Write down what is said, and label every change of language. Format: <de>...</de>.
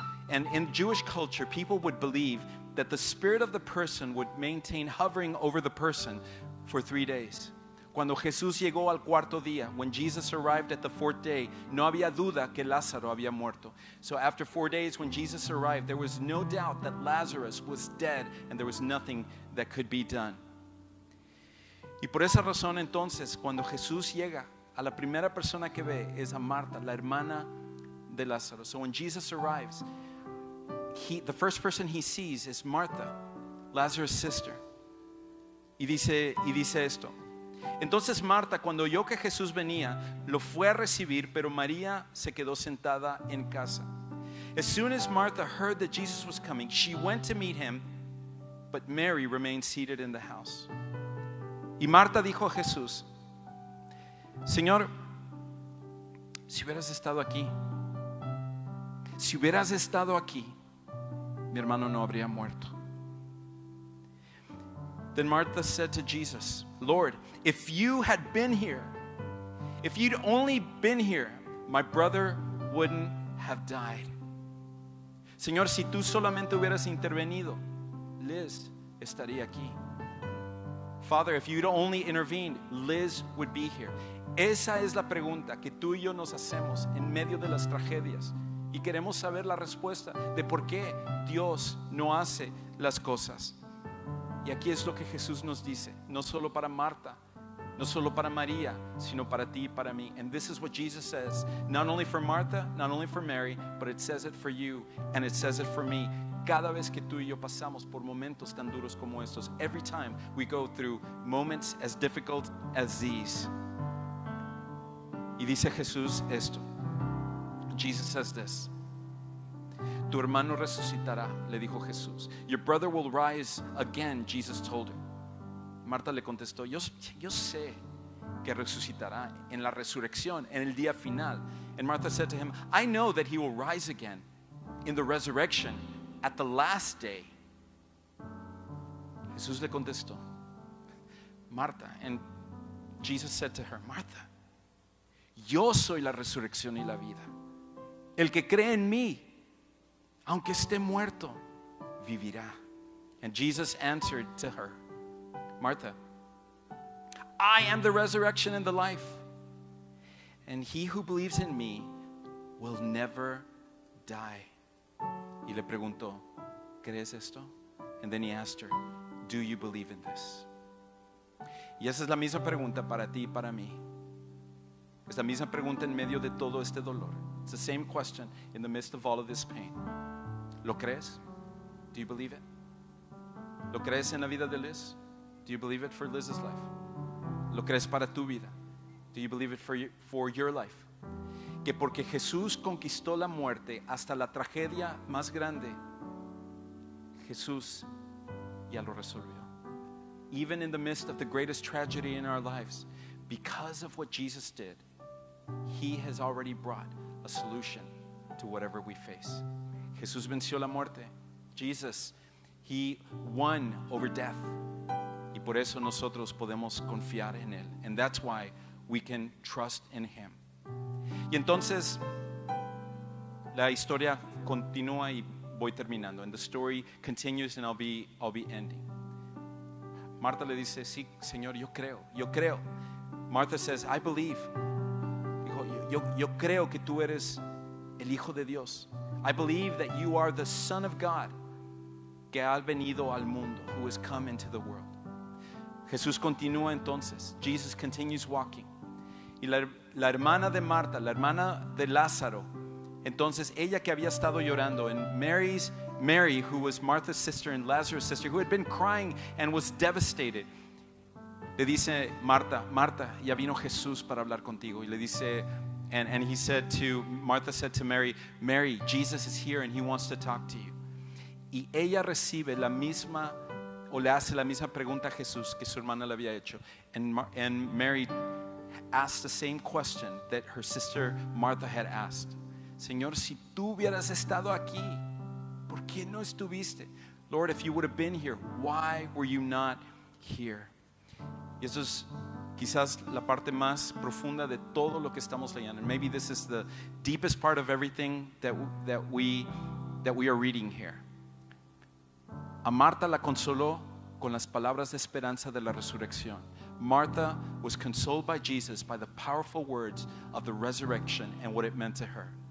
<en>And in Jewish culture, people would believe that the spirit of the person would maintain hovering over the person for 3 days.</en> <es>Cuando Jesús llegó al cuarto día,</es> <en>when Jesus arrived at the 4th day,</en> <es>no había duda que Lázaro había muerto.</es> <en>So after 4 days, when Jesus arrived, there was no doubt that Lazarus was dead and there was nothing that could be done.</en> <es>Y por esa razón entonces, cuando Jesús llega, a la primera persona que ve es a Marta, la hermana de Lázaro.</es> <en>So when Jesus arrives, the first person he sees is Martha, Lazarus' sister.</en> <es>Y dice esto. Entonces Marta, cuando oyó que Jesús venía, lo fue a recibir, pero María se quedó sentada en casa.</es> <en>As soon as Martha heard that Jesus was coming, she went to meet him, but Mary remained seated in the house.</en> <es>Y Marta dijo a Jesús, Señor, si hubieras estado aquí, mi hermano no habría muerto.</es> <en>Then Martha said to Jesus, Lord, if you had been here, if you'd only been here, my brother wouldn't have died.</en> <es>Señor, si tú solamente hubieras intervenido, Liz estaría aquí.</es> <en>Father, if you'd only intervened, Liz would be here.</en> <es>Esa es la pregunta que tú y yo nos hacemos en medio de las tragedias, y queremos saber la respuesta de por qué Dios no hace las cosas. Y aquí es lo que Jesús nos dice, no solo para Marta, no solo para María, sino para ti y para mí.</es> <en>And this is what Jesus says, not only for Martha, not only for Mary, but it says it for you and it says it for me.</en> <es>Cada vez que tú y yo pasamos por momentos tan duros como estos,</es> <en>every time we go through moments as difficult as these.</en> <es>Y dice Jesús esto.</es> <en>Jesus says this.</en> <es>Tu hermano resucitará, le dijo Jesús.</es> <en>Your brother will rise again, Jesus told her.</en> <es>Marta le contestó, yo sé que resucitará en la resurrección, en el día final.</es> <en>And Martha said to him, I know that he will rise again in the resurrection at the last day.</en> <es>Jesús le contestó, Marta,</es> <en>and Jesus said to her, Martha,</en> <es>yo soy la resurrección y la vida. El que cree en mí, aunque esté muerto, vivirá.</es> <en>And Jesus answered to her, Martha, I am the resurrection and the life. And he who believes in me will never die.</en> <es>Y le preguntó, ¿crees esto?</es> <en>And then he asked her, do you believe in this?</en> <es>Y esa es la misma pregunta para ti y para mí. Es la misma pregunta en medio de todo este dolor.</es> <en>It's the same question in the midst of all of this pain.</en> <es>¿Lo crees?</es> <en>Do you believe it?</en> <es>¿Lo crees en la vida de Liz?</es> <en>Do you believe it for Liz's life?</en> <es>¿Lo crees para tu vida?</es> <en>Do you believe it for your life?</en> <es>Que porque Jesús conquistó la muerte hasta la tragedia más grande, Jesús ya lo resolvió.</es> <en>Even in the midst of the greatest tragedy in our lives, because of what Jesus did, he has already brought a solution to whatever we face.</en> <es>Jesús venció la muerte.</es> <en>Jesus, he won over death.</en> <es>Y por eso nosotros podemos confiar en él.</es> <en>And that's why we can trust in him.</en> <es>Y entonces, la historia continúa y voy terminando.</es> <en>And the story continues and I'll be ending.</en> <es>Marta le dice, sí, Señor, yo creo, yo creo.</es> <en>Martha says, I believe.</en> <es>Yo creo que tú eres el Hijo de Dios.</es> <en>I believe that you are the Son of God</en> <es>que ha venido al mundo,</es> <en>who has come into the world.</en> <es>Jesús continúa entonces.</es> <en>Jesus continues walking.</en> <es>Y la hermana de Marta, la hermana de Lázaro, entonces ella que había estado llorando,</es> <en>and Mary, who was Martha's sister and Lazarus' sister, who had been crying and was devastated,</en> <es>le dice, Marta, Marta, ya vino Jesús para hablar contigo. Y le dice,</es> <en>And he said to, Martha said to Mary, Mary, Jesus is here and he wants to talk to you.</en> <es>Y ella recibe la misma, o le hace la misma pregunta a Jesús que su hermana le había hecho.</es> <en>And Mary asked the same question that her sister Martha had asked.</en> <es>Señor, si tú hubieras estado aquí, ¿por qué no estuviste?</es> <en>Lord, if you would have been here, why were you not here?</en> <es>Y eso es quizás la parte más profunda de todo lo que estamos leyendo.</es> <en>And maybe this is the deepest part of everything that we are reading here.</en> <es>A Marta la consoló con las palabras de esperanza de la resurrección.</es> <en>Martha was consoled by Jesus by the powerful words of the resurrection and what it meant to her.</en>